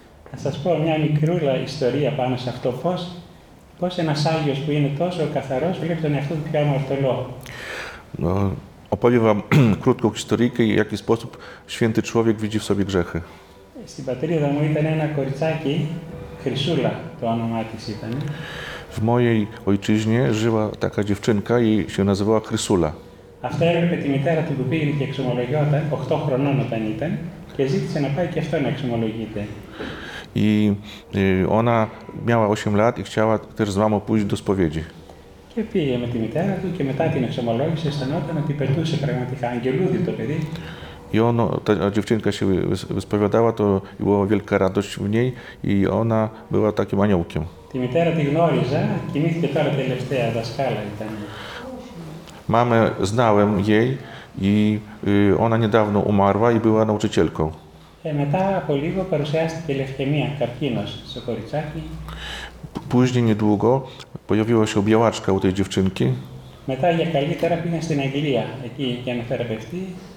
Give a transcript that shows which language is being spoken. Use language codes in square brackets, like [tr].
[el] Θα σας πω μια μικρούλα ιστορία πάνω σε αυτό, πώς ένας Άγιος που είναι τόσο καθαρός βλέπει τον εαυτό του πιο αμαρτωλό. [pl] Opowiem wam krótką historię, w jaki sposób święty człowiek widzi w sobie grzechy. [el] Στην πατρίδα μου ήταν ένα κοριτσάκι, Χρυσούλα το όνομά της ήταν. [pl] W mojej ojczyźnie żyła taka dziewczynka i się nazywała Χρυσούλα. [el] Αυτό έπρεπε τη μητέρα του που πήγαινε και εξομολογιόταν, 8 χρονών όταν ήταν, και ζήτησε να πάει και αυτό να εξομολογείται. [pl] I ona miała 8 lat i chciała też z mamą pójść do spowiedzi. [el] Και πήγε με τη μητέρα του και μετά την εξομολόγηση αισθανόταν ότι πετούσε πραγματικά αγγελούδι το παιδί. [pl] I ono, ta dziewczynka się wyspowiadała, to była wielka radość w niej i ona była takim aniołkiem. [el] Τη μητέρα τη γνώριζα, κοιμήθηκε τώρα τελευταία δασκάλα ήταν. [pl] Mamę znałem jej i ona niedawno umarła i była nauczycielką. [el] Μετά από λίγο παρουσιάστηκε λευκαιμία, καρκίνος στο κοριτσάκι. [pl] Później niedługo pojawiła się białaczka u tej dziewczynki. [el] Μετά για καλύτερα πήγαινε στην Αγγλία, εκεί για να θεραπευτεί.